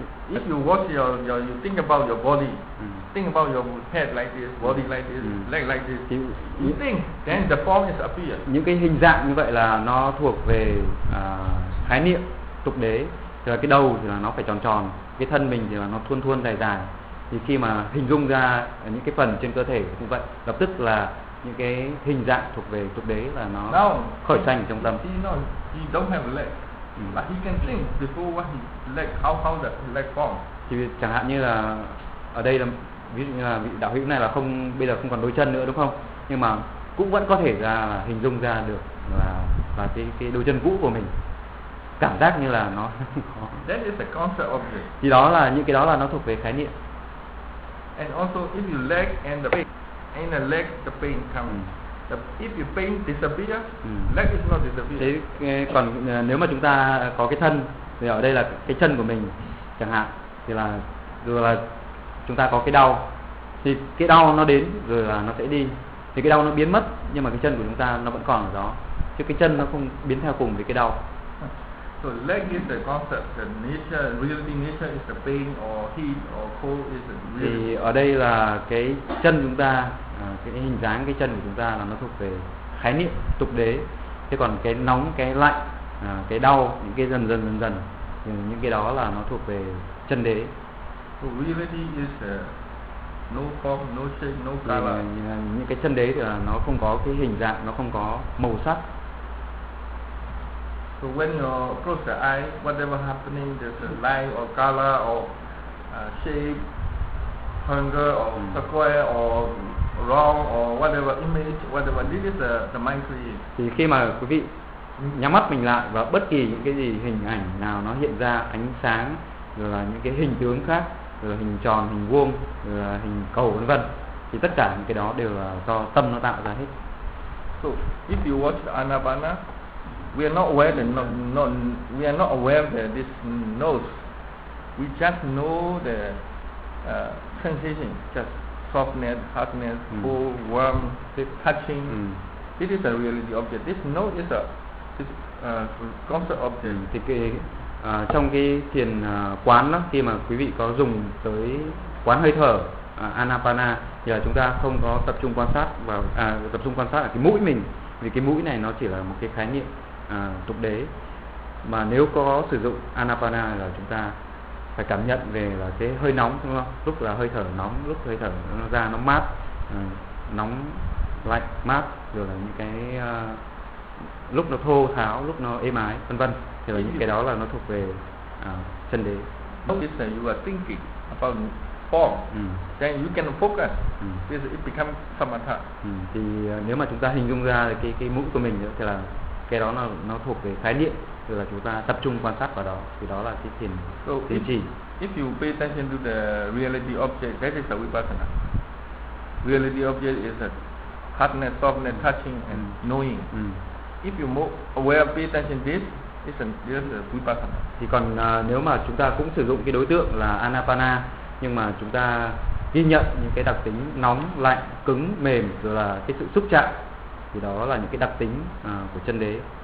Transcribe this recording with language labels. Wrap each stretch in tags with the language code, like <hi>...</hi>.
<en>If you watch your you think about your body, think about your head like this, body like this, leg like this. You think, then the form is appear.</en> <vi>Những cái hình dạng như vậy là nó thuộc về khái niệm tục đế. Thì là cái đầu thì là nó phải tròn tròn, cái thân mình thì là nó thuôn thuôn dài dài. Thì khi mà hình dung ra những cái phần trên cơ thể cũng vậy, lập tức là những cái hình dạng thuộc về tục đế là nó khởi sanh trong tâm.</vi> <en>He don't have a leg, but he can think before what he leg, how the leg form.</en> <vi>Thì chẳng hạn như là ở đây là ví dụ như là vị đạo hữu này là không, bây giờ không còn đôi chân nữa đúng không, nhưng mà cũng vẫn có thể ra là hình dung ra được là cái đôi chân cũ của mình cảm giác như là nó</vi> <en>that is the concept of it.</en> <vi>Thì đó là những cái đó là nó thuộc về khái niệm.</vi> <en>And also if you leg and the leg. In the leg, the pain comes. If the pain disappears, leg is not disappear.</en> <vi>Thế còn nếu mà chúng ta có cái thân, thì ở đây là cái chân của mình, chẳng hạn, thì là dù là chúng ta có cái đau, thì cái đau nó đến rồi là nó sẽ đi, thì cái đau nó biến mất, nhưng mà cái chân của chúng ta nó vẫn còn ở đó, chứ cái chân nó không biến theo cùng với cái đau.</vi> <en>So leg is the concept, the nature, reality nature is the pain or heat or cold is the reality.</en> <vi>Thì ở đây là cái chân chúng ta, cái hình dáng cái chân của chúng ta là nó thuộc về khái niệm tục đế. Thế còn cái nóng, cái lạnh, cái đau, những cái dần dần, thì những cái đó là nó thuộc về chân đế.</vi> <en>So reality is no form, no shape, no color.</en> <vi>Những cái chân đế thì là nó không có cái hình dạng, nó không có màu sắc.</vi> <en>So when you close the eye, whatever happening, there's a line or color or shape, hunger or square or wrong or whatever image, whatever this is the mind creates.</en> <vi>Thì khi mà quý vị nhắm mắt mình lại và bất kỳ những cái gì hình ảnh nào nó hiện ra, ánh sáng, rồi là những cái hình tướng khác, rồi hình tròn, hình vuông, rồi là hình cầu vân vân, thì tất cả những cái đó đều là do tâm nó tạo ra hết.</vi> <en>So if you watch anapana, we are not aware that we are not aware that this nose, we just know the sensation, just softness, hardness, cool, warm, touching. This is a reality object. This nose is a concept object.</en> <vi>Thì cái trong cái thiền quán đó, khi mà quý vị có dùng tới quán hơi thở anapana, thì là chúng ta không có tập trung quan sát vào tập trung quan sát ở cái mũi mình, vì cái mũi này nó chỉ là một cái khái niệm tục đế. Mà nếu có sử dụng anapana là chúng ta phải cảm nhận về là cái hơi nóng, đúng không? Lúc là hơi thở nóng, lúc hơi thở nó ra nó mát, nóng lạnh mát, rồi là những cái lúc nó thô tháo, lúc nó êm ái, vân vân. Thì là những cái đó là nó thuộc về chân đế.</vi> <en>Notice that you are thinking about form, then you can focus. This it becomes samatha.</en> <vi>Thì nếu mà chúng ta hình dung ra thì cái mũi của mình thì là cái đó là nó thuộc về khái niệm, rồi là chúng ta tập trung quan sát vào đó, thì đó là cái thiền thiền chỉ.</vi> <en>If you pay attention to the reality object, that is the vipassana. Reality object is a hardness, softness, touching and knowing. If you more aware, pay attention to this, it's a vipassana.</en> <vi>Thì còn nếu mà chúng ta cũng sử dụng cái đối tượng là anapana, nhưng mà chúng ta ghi nhận những cái đặc tính nóng, lạnh, cứng, mềm, rồi là cái sự xúc chạm, thì đó là những cái đặc tính của chân đế.</vi>